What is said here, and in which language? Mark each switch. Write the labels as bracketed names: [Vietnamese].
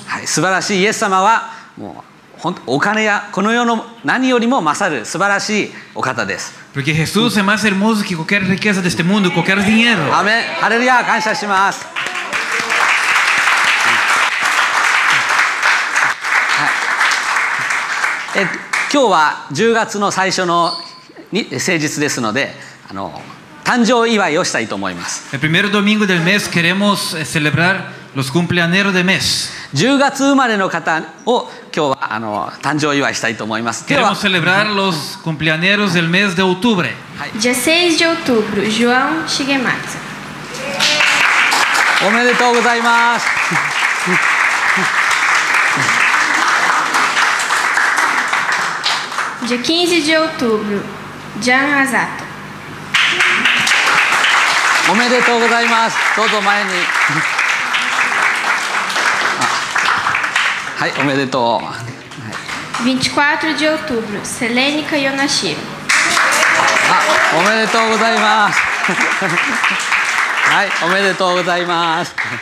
[Japanese] はい、素晴らしいイエス様はもう。お金やこの世の何よりも勝る素晴らしいお方です。 [Spanish] Porque Jesús es más hermoso que cualquier riqueza de este mundo, cualquier dinero. [Japanese] Amén. Aleluya. 感謝します。はい。今日は10月の最初の聖日ですので、誕生祝いをしたいと思います。 [Spanish] El primer domingo del mes queremos celebrar los cumpleaños de mes. [Japanese] 10月生まれの方を今日は誕生祝いしたいと思います。 [Spanish] Queremos celebrar los cumpleaños del mes de octubre. Día 6 de octubre, João Shigematsu. [Japanese] おめでとうございます。 [Spanish] Día 15 de octubre, Jan Hasato. [Japanese] おめでとうございます。どうぞ前に。はい、おめでとう。 [Spanish] 24 de octubre、Selenica Yonashiro。 [Japanese] おめでとうございます。はい、おめでとうございます。